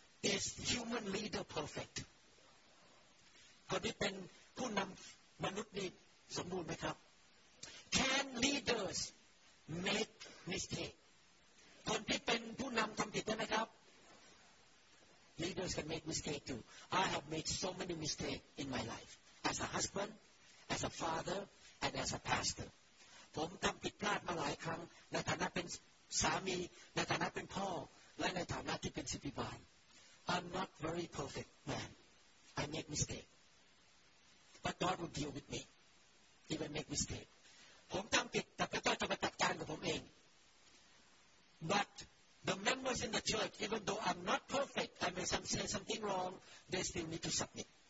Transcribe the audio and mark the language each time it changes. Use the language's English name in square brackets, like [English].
[English] is human leader perfect? [Thai] คนที่เป็นผู้นำมนุษย์นี่สมบูรณ์ไหมครับ [English] Can leaders make mistake? [Thai] คนที่เป็นผู้นำทำผิดได้ไหมครับ [English] Leaders can make mistake too. I have made so many mistakes in my life. As a husband, as a father, and as a pastor. [Thai] ผมทำผิดพลาดมาหลายครั้งในฐานะเป็นสามีในฐานะเป็นพ่อและในฐานะที่เป็นสิทธิบาล [English] I'm not very perfect man. I make mistakeBut God will deal with me if I make mistake. [Thai] ผมทำผิดแต่พระเจ้าจะมาจัดการกับผมเอง [English] But the members in the church, even though I'm not perfect, I may say something wrong, they still need to submit.